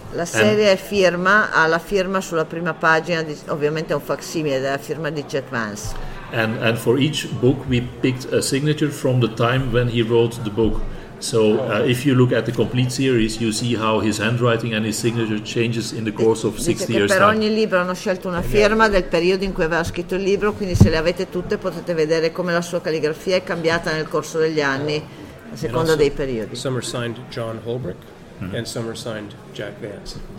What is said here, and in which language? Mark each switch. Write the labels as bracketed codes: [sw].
[it] La serie è firma, ha la firma sulla prima pagina, ovviamente è un facsimile della firma di Jack Vance. [en] And for each book we picked a signature from the time when he wrote the book. So if you look at the complete series, you see how his handwriting and his signature changes in the course of 60 years. [it] Per ogni libro hanno scelto una firma del periodo in cui aveva scritto il libro, quindi se le avete tutte potete vedere come la sua calligrafia è cambiata nel corso degli anni a seconda dei periodi. [en] Some are signed John Holbrook, mm-hmm. and some are signed Jack Vance.